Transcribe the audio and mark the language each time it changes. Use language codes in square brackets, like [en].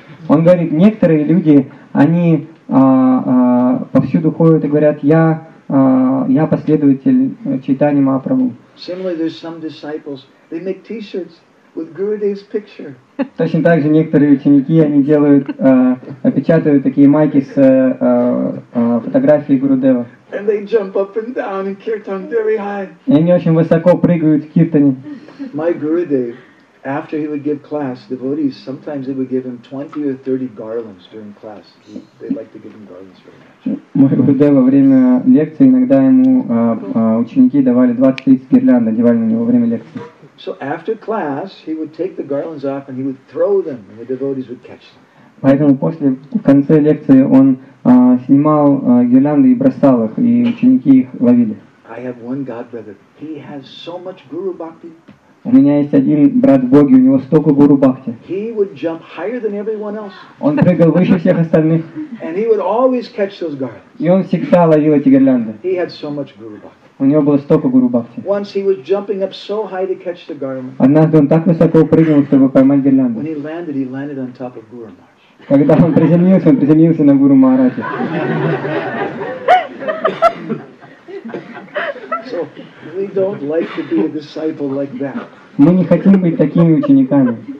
[ru] Он говорит, некоторые люди, они повсюду ходят и говорят, я последователь Чайтаньи Махапрабху. [en] Similarly, there's some disciples. They make T-shirts with Gurudev's picture. [ru] Точно так же некоторые ученики, они делают, печатают такие майки с фотографией Гурудева. [en] And they jump up and down in kirtan very high. [ru] И они очень высоко прыгают в киртане. [en] My Gurudev, after he would give class, devotees, sometimes they would give him 20 or 30 garlands during class. They like to give him garlands very much. [ru] Мой Гурудев во время лекции, иногда ему ученики давали 20-30 гирлянд, одевали на него во время лекции. [en] So after class, he would take the garlands off and he would throw them, and the devotees would catch them. [ru] Поэтому после, в конце лекции, он снимал гирлянды и бросал их, и ученики их ловили. [en] I have one god brother. He has so much guru bhakti. [ru] У меня есть один брат в Боге, у него столько гуру бхакти. [en] He would jump higher than everyone else. [ru] Он прыгал выше всех остальных. [en] And he would always catch those garlands. [ru] И он всегда ловил эти гирлянды. [en] He had so much guru bhakti. [ru] У него было столько гуру бхакти. [en] Once he was jumping up so high to catch the garland. [ru] Однажды он так высоко прыгнул, чтобы поймать гирлянду. [en] When he landed on top of Guru Maharaj. [ru] Когда он приземлился на Гуру Махараджа. [en] So we don't like to be a disciple like that. [ru] Мы не хотим быть такими учениками.